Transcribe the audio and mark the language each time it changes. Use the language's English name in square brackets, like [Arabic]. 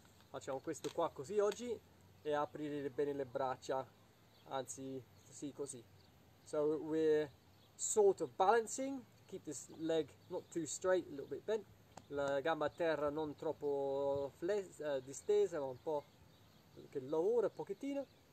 [Italian] Facciamo questo qua così oggi e aprire bene le braccia. Anzi, sì, così. [English] So we're sort of balancing. Keep this leg not too straight, a little bit bent. [Italian] La gamba a terra non troppo distesa, ma un po' che lavora un pochettino.